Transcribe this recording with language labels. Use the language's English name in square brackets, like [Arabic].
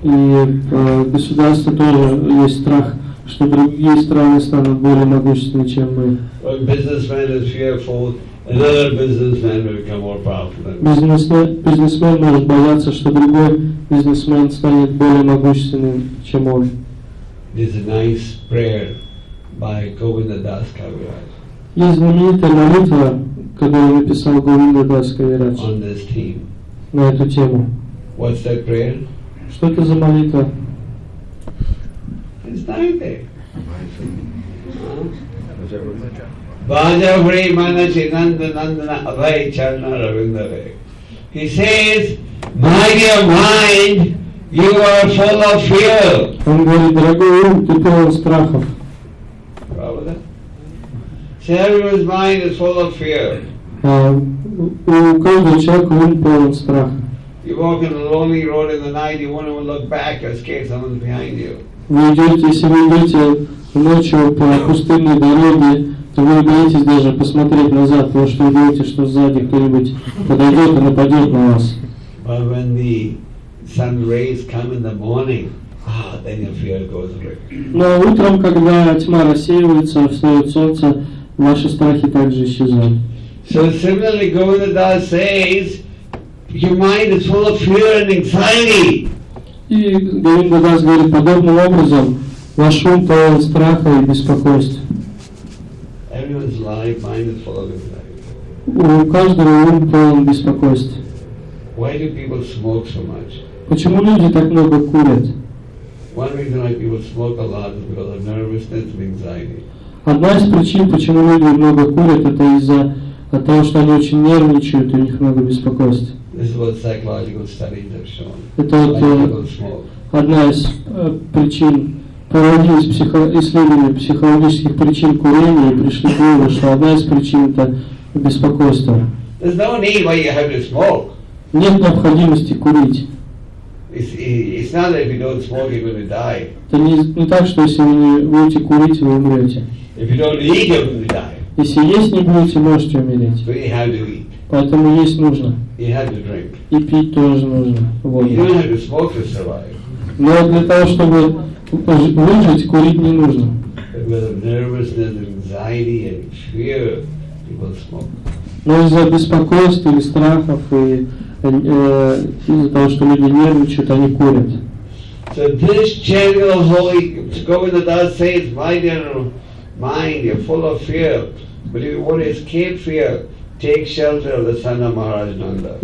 [Russian] И государство тоже есть страх, что другие страны станут более могущественными, чем мы. [English] One businessman is fearful, another businessman will become more powerful than us. [Russian] Бизнесмен может бояться, что другой бизнесмен станет более могущественным, чем он. [English] This is a nice prayer by Govinda Das Kaviraj. [Russian] Есть знаменитая молитва, которую написал Говинда Дас Кавирадж. [English] On this theme. [Russian] На эту тему. [English] What's that prayer? [Russian] Что это за молитва? [English] It's nice. [Bangla] Bhajavri mana chinanda nandana abhay charna ravindare. [English] He says, my dear mind, you are full of fear. [Russian] Он говорит, дорогой ум, ты полон страхов. Правда? [English] So everyone's mind is full of fear. [Russian] У каждого человека ум полон страха. [English] You walk in a lonely road in the night, you won't even look back, you're scared someone's behind you. [Russian] Вы идете, если вы идете ночью по пустынной дороге, то вы не боитесь даже посмотреть назад, потому что вы думаете, что сзади кто-нибудь подойдет и нападет на вас. [English] But when the sun rays come in the morning, then your fear goes away. [Russian] Но утром, когда тьма рассеивается, встает солнце, ваши страхи также исчезают. [English] So similarly, Govinda Das says, your mind is full of fear and anxiety. [Russian] И Говинда Дас говорит, подобным образом, ваш ум полон страха и беспокойства. [English] Everyone's life, mind is full of anxiety. [Russian] У каждого ум полон беспокойства. [English] Why do people smoke so much? [Russian] Почему люди так много курят? [English] One reason why people smoke a lot is because of nervousness and anxiety. [Russian] Одна из причин, почему люди много курят, это из-за того, что они очень нервничают, и у них много беспокойства. [English] This is what psychological studies have shown. [Russian] Это одна из причин, проводились исследования психологических причин курения и пришли к выводу, что одна из причин это беспокойство. [English] There's no need why you have to smoke. [Russian] Нет необходимости курить. [English] It's not that if you don't smoke, you're going to die. [Russian] Это не так, что если вы не будете курить, вы умрете. [English] If you don't eat, you're going to die. [Russian] Если есть не будете, можете умереть. [English] But you have to eat. [Russian] Поэтому есть нужно. [English] You have to drink. [Russian] И пить тоже нужно. Вот. [English] You don't have to smoke to survive. [Russian] Но для того, чтобы выжить, курить не нужно. [English] Because of nervousness, anxiety and fear, people smoke. [Russian] Но из-за беспокойств или страхов и из-за того, что люди нервничают, они курят. [English] So this channel of holy Govinda Das says, my dear mind, you're full of fear, but if you want to escape fear, take shelter of the son of Maharaj Nanda.